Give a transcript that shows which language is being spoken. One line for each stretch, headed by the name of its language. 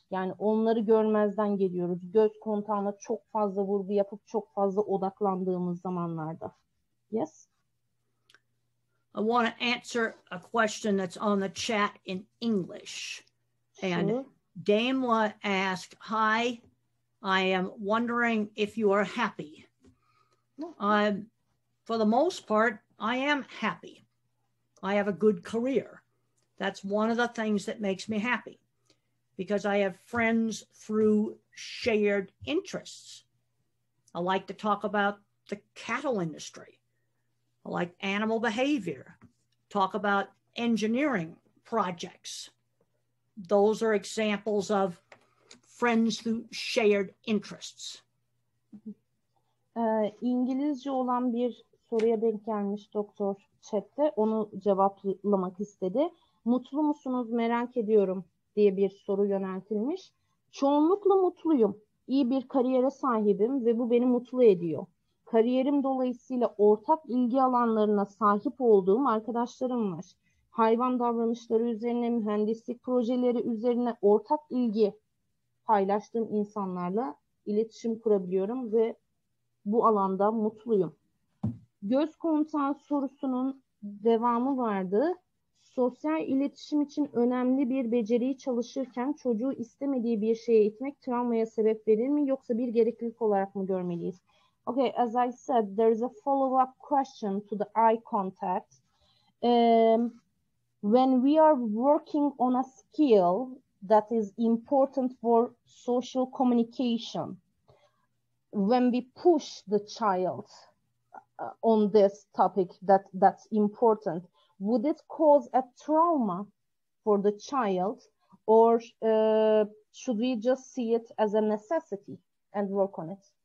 Turkish: Yani onları görmezden geliyoruz. Göz kontağına çok fazla vurgu yapıp çok fazla odaklandığımız zamanlarda.
English: Yes. I want to answer a question that's on the chat in English. And sure. Damla asked, hi, I am wondering if you are happy. For the most part, I am happy. I have a good career. That's one of the things that makes me happy because I have friends through shared interests. I like to talk about the cattle industry. I like animal behavior, talk about engineering projects. Those are examples of friends through shared interests.
Turkish: İngilizce olan bir soruya denk gelmiş doktor chatte. Onu cevaplamak istedi. Mutlu musunuz merak ediyorum diye bir soru yöneltilmiş. Çoğunlukla mutluyum. İyi bir kariyere sahibim ve bu beni mutlu ediyor. Kariyerim dolayısıyla ortak ilgi alanlarına sahip olduğum arkadaşlarım var. Hayvan davranışları üzerine, mühendislik projeleri üzerine ortak ilgi paylaştığım insanlarla iletişim kurabiliyorum ve bu alanda mutluyum. Göz kontağı sorusunun devamı vardı. Sosyal iletişim için önemli bir beceriyi çalışırken çocuğu istemediği bir şeye itmek travmaya sebep verir mi yoksa bir gereklilik olarak mı görmeliyiz?
English: Okay, as I said, there is a follow-up question to the eye contact. When we are working on a skill that is important for social communication, when we push the child on this topic that's important, would it cause a trauma for the child or should we just see it as a necessity and work on it?